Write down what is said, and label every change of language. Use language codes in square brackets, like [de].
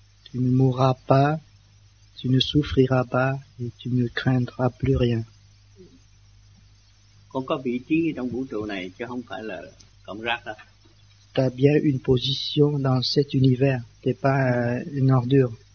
[fr] Tu ne mourras pas, tu ne souffriras pas et tu ne craindras plus rien. [vi] Con có vị trí trong vũ trụ này chứ không phải là cọng rác đâu. [fr] Tu as bien une position dans cet univers, tu n'es pas une ordure.